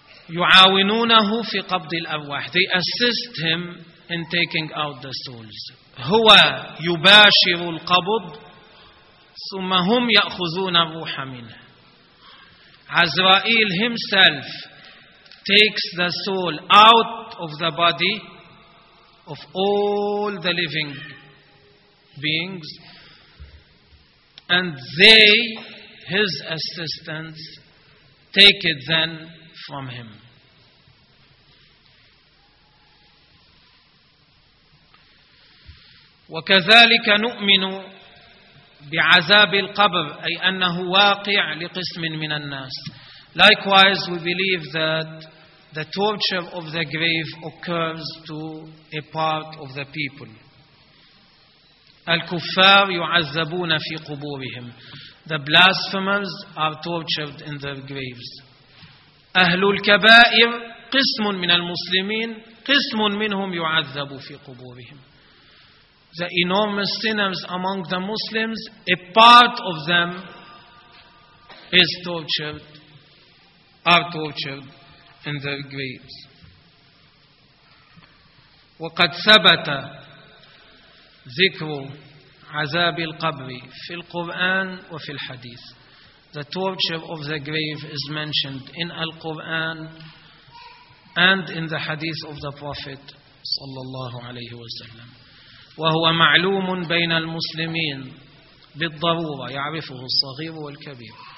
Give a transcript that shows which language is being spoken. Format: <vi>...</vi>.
<ar>يعاونونه في قبض الأرواح.</ar> <en>They assist him in taking out the souls.</en> <ar>هو يباشر القبض ثم هم يأخذون الروح منه.</ar> <en>Azrael himself takes the soul out of the body of all the living beings, and they, his assistants, take it then from him.</en> <ar>وكذلك نؤمن بعذاب القبر, أي أنه واقع لقسم من الناس.</ar> <en>Likewise, we believe that the torture of the grave occurs to a part of the people.</en> <ar>الكفار يعذبون في قبورهم.</ar> <en>The blasphemers are tortured in their graves.</en> <ar>أهل الكبائر قسم من المسلمين, قسم منهم يعذب في قبورهم.</ar> <en>The enormous sinners among the Muslims, a part of them is tortured, are tortured in their graves.</en> <ar>وقد ثبت ذكر عذاب القبر في القرآن وفي الحديث.</ar> <en>The torture of the grave is mentioned in Al-Quran and in the hadith of the Prophet</en> <ar>صلى الله عليه وسلم. وهو معلوم بين المسلمين بالضرورة, يعرفه الصغير والكبير.</ar>